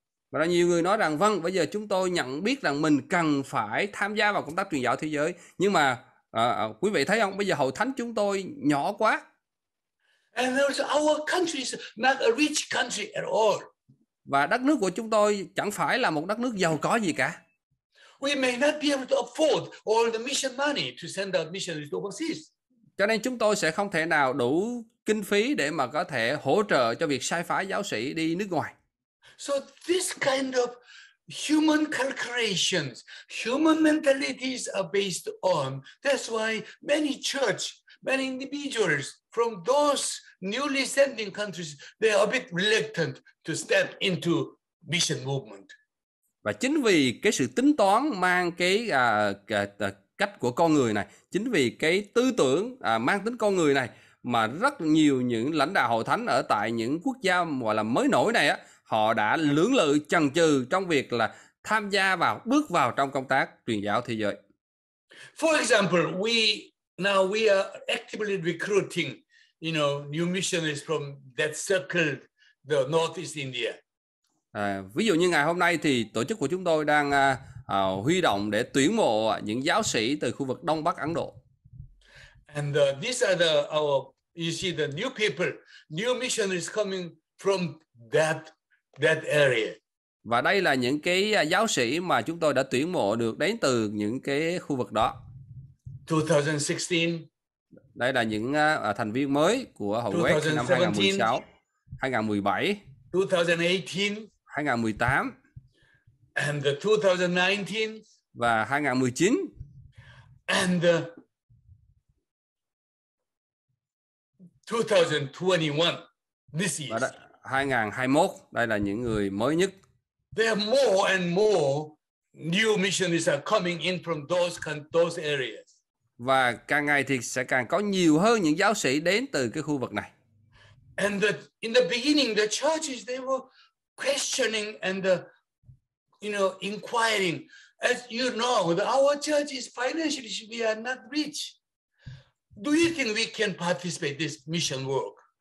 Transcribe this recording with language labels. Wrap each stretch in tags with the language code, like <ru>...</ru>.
<vi>Và nhiều người nói rằng, vâng, bây giờ chúng tôi nhận biết rằng mình cần phải tham gia vào công tác truyền giáo thế giới. Nhưng mà quý vị thấy không, bây giờ hội thánh chúng tôi nhỏ quá.</vi> <en>And also our country is not a rich country at all.</en> <vi>Và đất nước của chúng tôi chẳng phải là một đất nước giàu có gì cả.</vi> <en>We may not be able to afford all the mission money to send out missionaries overseas.</en> <vi>Cho nên chúng tôi sẽ không thể nào đủ kinh phí để mà có thể hỗ trợ cho việc sai phái giáo sĩ đi nước ngoài.</vi> <en>So this kind of human calculations, human mentalities are based on. That's why many church, many individuals from those newly sending countries, they are a bit reluctant to step into mission movement.</en> <vi>Và chính vì cái sự tính toán mang cái cách của con người này, chính vì cái tư tưởng mang tính con người này mà rất nhiều những lãnh đạo hội thánh ở tại những quốc gia gọi là mới nổi này á, họ đã lưỡng lự chần chừ trong việc là tham gia vào, bước vào trong công tác truyền giáo thế giới.</vi> <en>For example, we are actively recruiting, you know, new missionaries from that circle, the Northeast India.</en> <vi>Ví dụ như ngày hôm nay thì tổ chức của chúng tôi đang huy động để tuyển mộ những giáo sĩ từ khu vực Đông Bắc Ấn Độ.</vi> <en>And these are the our you see the new people, new missionaries coming from that area.</en> <vi>Và đây là những cái giáo sĩ mà chúng tôi đã tuyển mộ được đến từ những cái khu vực đó.</vi> <en>2016.</en> <vi>Đây là những thành viên mới của Hội Quét năm 2016, 2017, 2018,</vi> <en>2018 and the 2019</en> <vi>và 2019.</vi> <en>And 2021 this year.</en> <vi>2021, đây là những người mới nhất.</vi> <en>There are more and more new missionaries are coming in from those areas.</en> <vi>Và càng ngày thì sẽ càng có nhiều hơn những giáo sĩ đến từ cái khu vực này.</vi> <en>And in the beginning the churches they were questioning and inquiring. As you know, our church is financially we are not rich. Do you think we can participate in this mission work?</en>